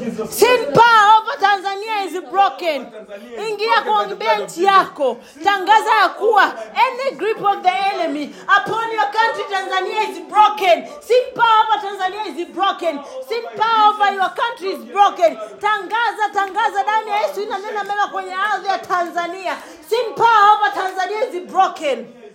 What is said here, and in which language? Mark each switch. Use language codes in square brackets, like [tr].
[en] Sin power over Tanzania is broken. [sw] Ingia kwa benchi yako. Tangaza ya kuwa [en] any grip of the enemy upon your country Tanzania is broken. Sin power over Tanzania is broken. Sin power over your country is broken. [sw] Tangaza damu ya Yesu inanena mema kwenye ardhi ya Tanzania. [en] Sin power over Tanzania is broken.